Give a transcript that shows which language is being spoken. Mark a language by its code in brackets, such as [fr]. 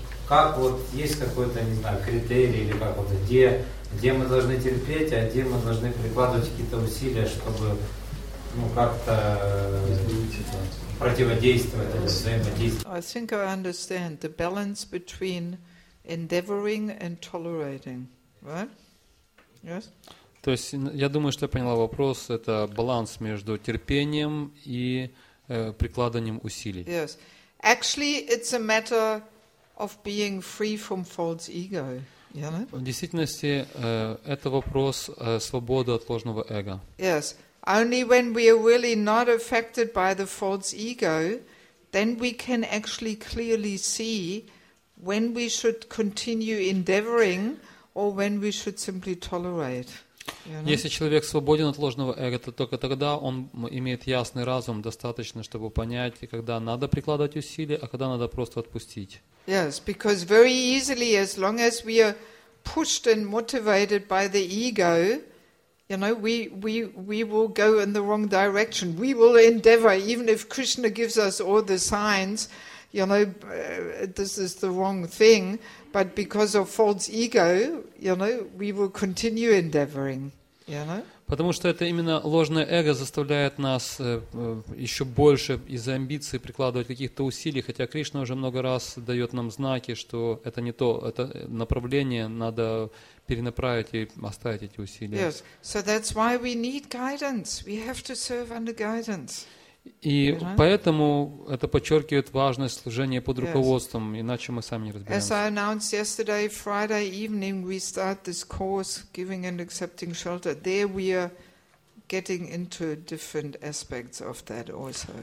[ru] Как вот есть какой-то, не знаю, критерий или как вот где мы должны терпеть, а где мы должны прикладывать какие-то усилия, чтобы как-то противодействовать или взаимодействовать. [en] I think I understand the balance between endeavoring and tolerating, right? Yes. [ru] То есть я думаю, что я поняла вопрос. Это баланс между терпением и прикладыванием усилий. [en] Yes. Actually, it's a matter of being free from false ego. [ru] В действительности это вопрос свободы от ложного эго. [en] Yes, only when we are really not affected by the false ego, then we can actually clearly see when we should continue endeavoring or when we should simply tolerate. [ru] Если человек свободен от ложного эго, то только тогда он имеет ясный разум достаточно, чтобы понять, когда надо прикладывать усилия, а когда надо просто отпустить. [en] Yes, because very easily, as long as we are pushed and motivated by the ego, you know, we will go in the wrong direction. We will endeavor, even if Krishna gives us all the signs, you know, this is the wrong thing, but because of false ego, you know, we will continue endeavoring, you know. [ru] Потому что это именно ложное эго заставляет нас еще больше из-за амбиций прикладывать каких-то усилий, хотя Кришна уже много раз дает нам знаки, что это не то, это направление надо перенаправить и оставить эти усилия. [en] Yes, so that's why we need guidance. We have to serve under guidance. [ru] И поэтому это подчеркивает важность служения под руководством, иначе мы сами не разберемся. [en] As I announced yesterday, Friday evening we start this course, giving and accepting shelter. There we are getting into different aspects of that also.